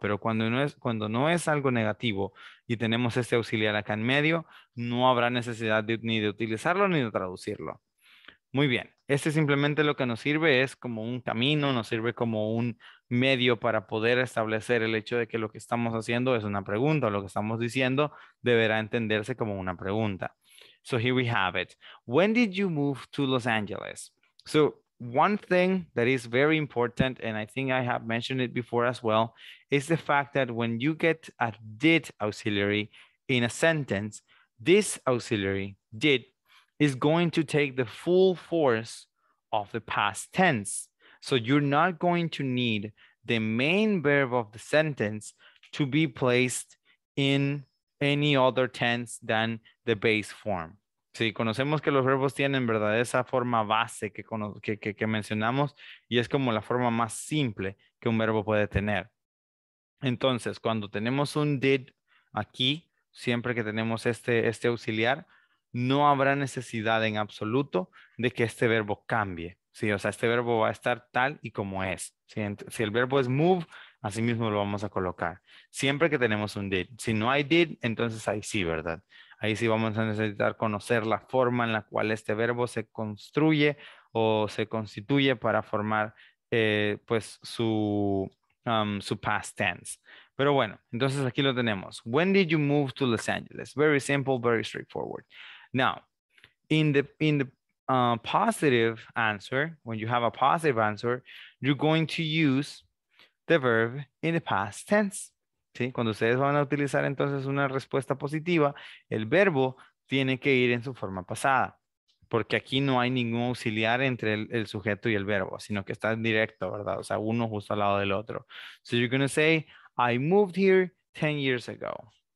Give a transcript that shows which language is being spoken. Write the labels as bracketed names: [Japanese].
[Spanish] Pero cuando no es algo negativo y tenemos este auxiliar acá en medio, no habrá necesidad de, ni de utilizarlo ni de traducirlo. Muy bien. Este simplemente lo que nos sirve es como un camino, nos sirve como un medio para poder establecer el hecho de que lo que estamos haciendo es una pregunta, o lo que estamos diciendo deberá entenderse como una pregunta. [English] So here we have it. When did you move to Los Angeles? So one thing that is very important, and I think I have mentioned it before as well, is the fact that when you get a did auxiliary in a sentence, this auxiliary, did, is going to take the full force of the past tense. So you're not going to need the main verb of the sentence to be placed in any other tense than the base form. [Spanish] Sí, conocemos que los verbos tienen, ¿verdad?, esa forma base que mencionamos, y es como la forma más simple que un verbo puede tener. Entonces, cuando tenemos un did aquí, siempre que tenemos este auxiliar, no habrá necesidad en absoluto de que este verbo cambie. Sí, o sea, este verbo va a estar tal y como es. ¿Sí? Si el verbo es move, así mismo lo vamos a colocar. Siempre que tenemos un did. Si no hay did, entonces ahí sí, ¿verdad? Ahí sí vamos a necesitar conocer la forma en la cual este verbo se construye o se constituye para formar pues su past tense. Pero bueno, entonces aquí lo tenemos. [English] When did you move to Los Angeles? Very simple, very straightforward. Now, in the positive answer, when you have a positive answer, you're going to use the verb in the past tense. [Spanish] ¿Sí? Cuando ustedes van a utilizar entonces una respuesta positiva, el verbo tiene que ir en su forma pasada, porque aquí no hay ningún auxiliar entre el sujeto y el verbo, sino que está en directo, ¿verdad? O sea, uno justo al lado del otro. [English] So you're going to say, I moved here 10 years ago.